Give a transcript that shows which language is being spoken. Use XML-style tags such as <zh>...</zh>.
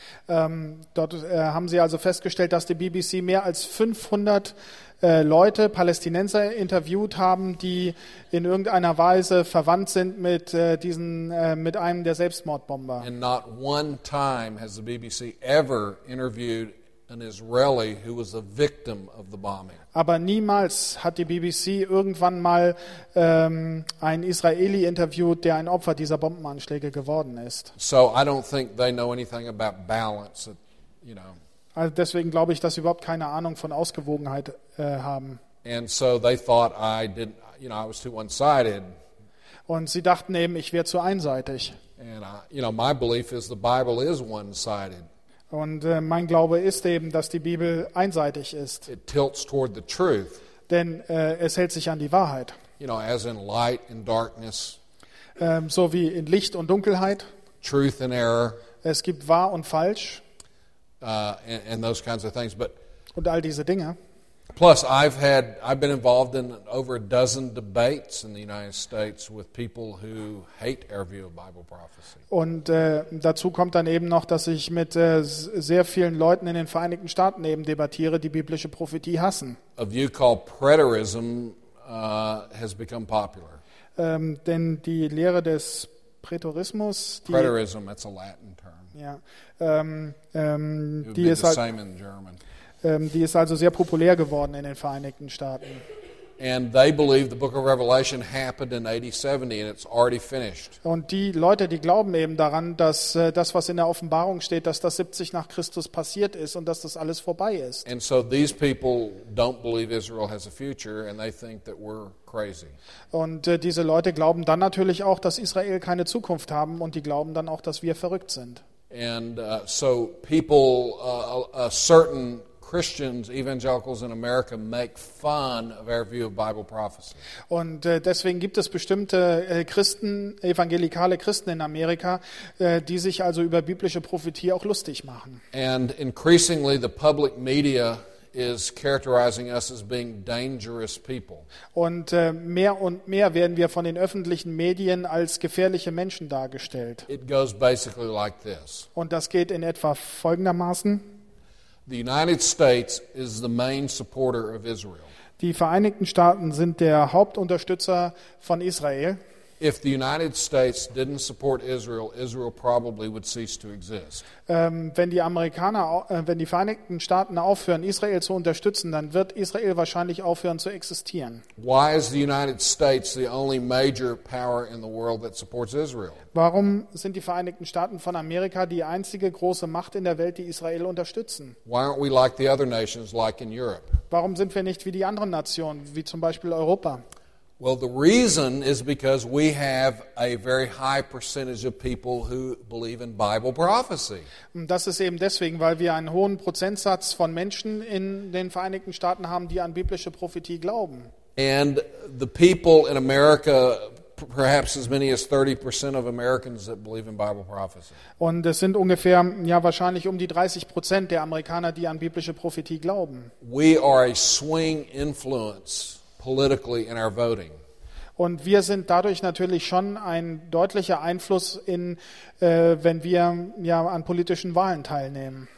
<de>Dort haben sie also festgestellt, dass die BBC mehr als 500 Leute, Palästinenser, interviewt haben, die in irgendeiner Weise verwandt sind mit mit einem der Selbstmordbomber.</de> <en>And not one time has the BBC ever interviewed an Israeli who was a victim of the bombing.</en> <de>Aber niemals hat die BBC irgendwann mal einen Israeli interviewt, der ein Opfer dieser Bombenanschläge geworden ist.</de> <en>So I don't think they know anything about balance,</en> <de>Also deswegen glaube ich, dass sie überhaupt keine Ahnung von Ausgewogenheit haben.</de> <en>And so they thought I didn't, I was too one-sided.</en> <de>Und sie dachten eben, ich wäre zu einseitig.</de> <en>And my belief is the Bible is one-sided.</en> <de>Und mein Glaube ist eben, dass die Bibel einseitig ist.</de> <en>It tilts toward the truth.</en> <de>Denn es hält sich an die Wahrheit.</de> <en>As in light and darkness.</en> <de>So wie in Licht und Dunkelheit.</de> <en>Truth and error.</en> <de>Es gibt wahr und falsch.</de> <en>And those kinds of things. But</en> <de>und all diese Dinge.</de> <en>Plus, I've been involved in over a dozen debates in the United States with people who hate our view of Bible prophecy.</en> <de>Und dazu kommt dann eben noch, dass ich mit sehr vielen Leuten in den Vereinigten Staaten eben debattiere, die biblische Prophetie hassen.</de> <en>A view called preterism has become popular.</en> <de>Denn die Lehre des Prätorismus,</de> <en>Preterism, that's a Latin term.</en> <de>Ja, die ist halt,</de> <en>same in German.</en> <de>Die ist also sehr populär geworden in den Vereinigten Staaten.</de> <en>And they believe the book of Revelation happened in AD 70 and it's already finished.</en> <de>Und die Leute, die glauben eben daran, dass das, was in der Offenbarung steht, dass das 70 nach Christus passiert ist und dass das alles vorbei ist.</de> <en>And so these people don't believe Israel has a future and they think that we're crazy.</en> <de>Und diese Leute glauben dann natürlich auch, dass Israel keine Zukunft haben und die glauben dann auch, dass wir verrückt sind.</de> <en>And so people a certain Christians, evangelicals in America make fun of our view of Bible prophecy.</en> <de>Und deswegen gibt es bestimmte Christen, evangelikale Christen in Amerika, die sich also über biblische Prophetie auch lustig machen.</de> <en>And increasingly the public media is characterizing us as being dangerous people.</en> <de>Und mehr und mehr werden wir von den öffentlichen Medien als gefährliche Menschen dargestellt.</de> <en>It goes basically like this.</en> <de>Und das geht in etwa folgendermaßen.</de> <en>The United States is the main supporter of Israel.</en> <de>Die Vereinigten Staaten sind der Hauptunterstützer von Israel.</de> <en>If the United States didn't support Israel, Israel probably would cease to exist.</en> <de>Wenn die Amerikaner, wenn die Vereinigten Staaten aufhören, Israel zu unterstützen, dann wird Israel wahrscheinlich aufhören zu existieren.</de> <en>Why is the United States the only major power in the world that supports Israel?</en> <de>Warum sind die Vereinigten Staaten von Amerika die einzige große Macht in der Welt, die Israel unterstützen?</de> <en>Why aren't we like the other nations, like in Europe?</en> <de>Warum sind wir nicht wie die anderen Nationen, wie zum Beispiel Europa?</de> <en>Well, the reason is because we have a very high percentage of people who believe in Bible prophecy.</en> <de>Das ist eben deswegen, weil wir einen hohen Prozentsatz von Menschen in den Vereinigten Staaten haben, die an biblische Prophetie glauben.</de> <en>And the people in America, perhaps as many as 30% of Americans that believe in Bible prophecy.</en> <de>Und es sind ungefähr, ja, wahrscheinlich um die 30% der Amerikaner, die an biblische Prophetie glauben.</de> <en>We are a swing influence politically in our voting.</en> <de>Und wir sind dadurch natürlich schon ein deutlicher Einfluss in wenn wir ja an politischen Wahlen teilnehmen.</de>